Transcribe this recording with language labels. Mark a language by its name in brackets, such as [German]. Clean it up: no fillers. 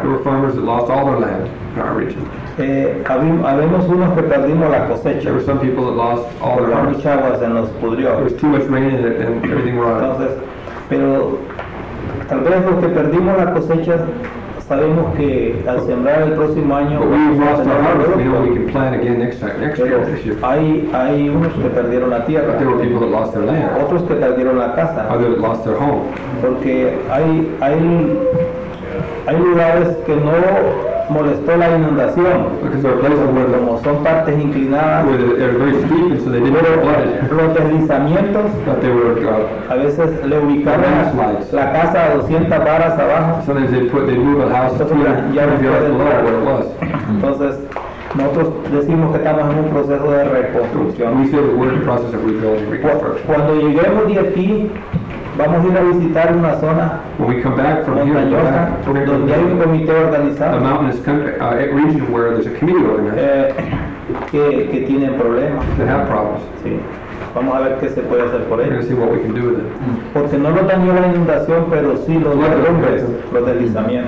[English] There were farmers that lost all their land in our region. [Spanish] Habemos unos que perdimos la cosecha. [English] There were some people that lost all their farms. [Spanish] Mucha agua se nos pudrió. [English] There was too much rain and everything rotted. [Spanish] Entonces, pero tal vez los que perdimos la cosecha sabemos que al sembrar el próximo año. [English] But we've lost our harvest. We know we can plant again next year. [Spanish] Hay unos que perdieron la tierra. [English] But there were people that lost their land. [Spanish] Otros que perdieron la casa. [English] Others that lost their home. [Spanish] Porque hay lugares que no molestó la inundación. [English] Because there are places where [Spanish] como son partes inclinadas. [English] Where they're very steep, and so they didn't flood it. [Spanish] Los deslizamientos. [English] But they were. [Spanish] A veces le ubicaron la casa a 200 varas abajo. [English] Sometimes they move a house 200 yards below where it was. [Spanish] Entonces nosotros decimos que estamos en un proceso de reconstrucción. [English] We say that we're in the process of rebuilding and reconstruction. [Spanish] Cuando lleguemos de aquí, vamos a ir a visitar una zona montañosa donde hay un comité organizado, [English] a mountainous region where there's a committee organized, [Spanish] que tiene problemas. [English] They have problems. [Spanish] Sí. Vamos a ver qué se puede hacer por ellos. [English] See what we can do with it. [Spanish] Porque no lo dañó la inundación, pero sí los derrumbes, los deslizamientos.